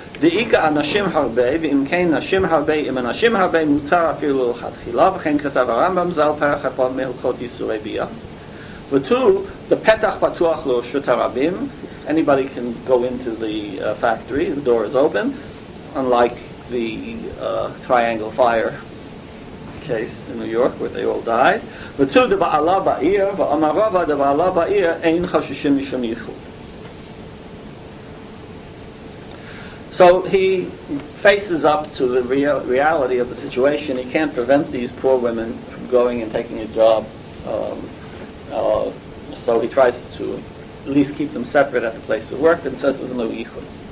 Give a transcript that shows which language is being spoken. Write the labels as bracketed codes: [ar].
[he] דאיקה אנשים הרבה, ואם כן נשים הרבה, אם אנשים הרבה מותר אפילו לכתחילה, וכן כתב הרמב״ם זל פרח אפון מלכות ייסורי ביה. ותו, בפתח פתוח לרשות הרבים, [en] anybody can go into the factory, the door is open, unlike the triangle fire case in New York where they all died. [he] ותו, דבעלה בעיר, ואמר רבה דבעלה בעיר, אין חששים משום ייחוד. [en] So he faces up to the reality of the situation. He can't prevent these poor women from going and taking a job. So he tries to at least keep them separate at the place of work and says there's no ichud.